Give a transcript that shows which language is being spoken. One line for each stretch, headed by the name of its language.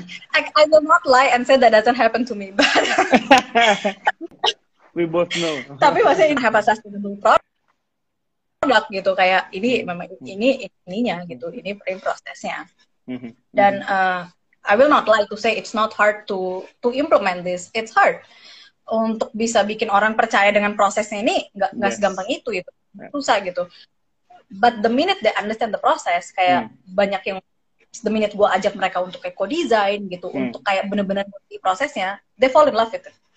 English: I will not lie and say that doesn't happen to me, but we both know.
Indonesian: Tapi maksudnya ini apa sustainable product gitu, kayak ini memang ini ininya gitu, ini prosesnya. Dan
English: I will not lie to say it's not hard to implement this. It's hard
Indonesian: untuk bisa bikin orang percaya dengan prosesnya ini, nggak segampang itu gitu. Susah gitu.
English: But the minute they understand the process,
Indonesian: kayak banyak yang
English: the minute
Indonesian: gue ajak mereka untuk kayak co-design gitu, untuk kayak bener-bener ngerti prosesnya,
English: they fall in love with it.